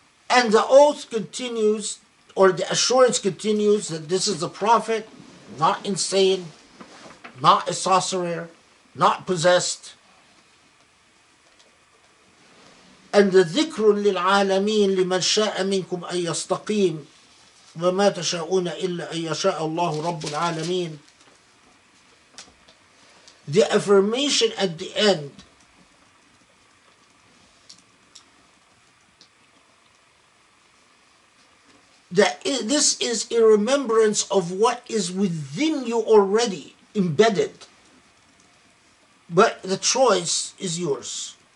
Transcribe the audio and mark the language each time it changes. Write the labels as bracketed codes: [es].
[en] And the oath continues, or the assurance continues, that this is a prophet, not insane, not a sorcerer, not possessed. And the [ar] ذكر للعالمين لمن شاء منكم أن يستقيم وما تشاءون إلا أن يشاء الله رب العالمين. [en] The affirmation at the end that this is a remembrance of what is within you already embedded, but the choice is yours.